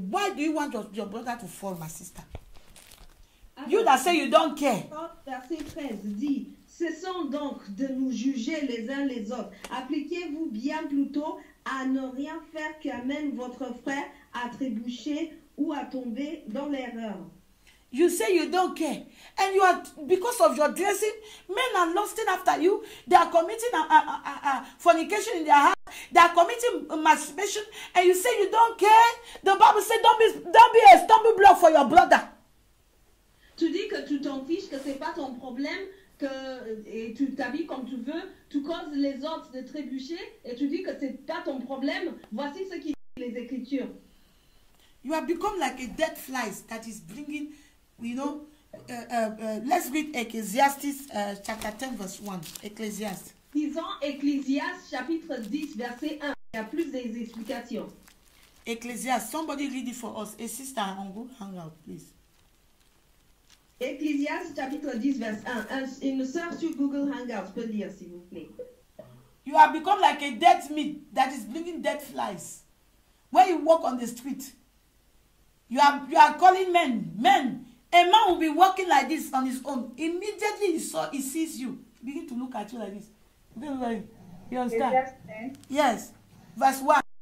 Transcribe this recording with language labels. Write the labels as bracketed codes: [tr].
[en] Why do you want your brother to fall, my sister? You that say you don't care. [fr] Verset 13 dit, cessons donc de nous juger les uns les autres. Appliquez-vous bien plutôt à ne rien faire qui amène votre frère à trébucher ou à tomber dans l'erreur. [en] You say you don't care. And you are, because of your dressing, men are lusting after you. They are committing a fornication in their heart. They are committing masturbation. And you say you don't care. The Bible says don't be a stumbling block for your brother. [fr] Tu dis que tu t'en fiches, que ce n'est pas ton problème, et tu t'habilles comme tu veux. Tu causes les autres de trébucher. Et tu dis que ce n'est pas ton problème. Voici ce qui dit les Écritures. [en] You have become like a dead fly that is bringing. You know, let's read Ecclesiastes chapter 10, verse 1. Ecclesiastes. [fr] Disons Ecclesiastes chapitre 10, verset 1. Il y a plus des explications. [en] Ecclesiastes, somebody read it for us. A sister, on go hang out, please. [fr] Ecclesiastes chapitre 10, verse 1. Une sœur sur Google Hangouts peut lire, s'il vous plaît. [en] You have become like a dead meat that is bringing dead flies. When you walk on the street, you are calling men. A man will be walking like this on his own. Immediately he sees you, begin to look at you like this. Good Lord. You understand? Yes. Verse 1.